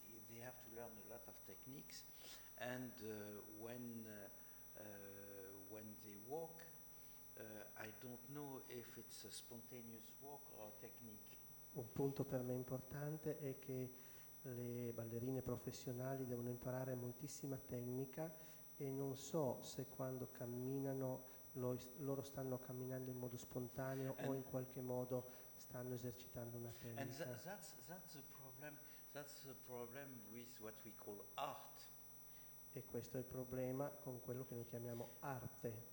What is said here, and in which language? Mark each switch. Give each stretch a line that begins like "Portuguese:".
English: They have to learn a lot of techniques, and when they walk, I don't know if it's a spontaneous walk or a technique.
Italian: Un punto per me importante è che le ballerine professionali devono imparare moltissima tecnica e non so se quando camminano loro stanno camminando in modo spontaneo o in qualche modo stanno esercitando una tecnica.
English: And that's the problem with what we call art.
Italian: E questo è il problema con quello che noi chiamiamo arte.